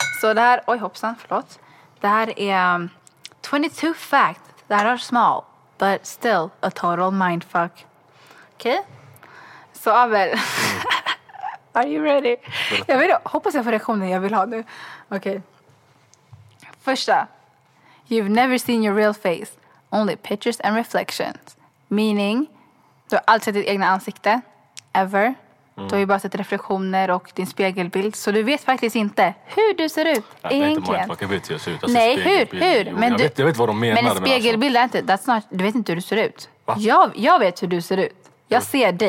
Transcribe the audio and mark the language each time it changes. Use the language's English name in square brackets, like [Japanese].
[Swedish] Så det här, oj hoppsan, förlåt. Det här är 22 facts that are small, but still a total mindfuck. Okej? Så Abel, are you ready? Jag vill, hoppas jag får reaktionen jag vill ha nu. Okej. Första. [English] You've never seen your real face, only pictures and reflections. [Swedish] Meaning, du har aldrig sett ditt egna ansikte, ever. Du har ju bara sett reflektioner och din spegelbild. Så du vet faktiskt inte hur du ser ut. Ja, egentligen. Nej, inte mindfuck. Jag vet hur jag ser ut. Nej, hur? Jo, men jag vet vad de menar. Men en spegelbild är inte... That's not, du vet inte hur du ser ut. Jag vet hur du ser ut. Jag ser dig.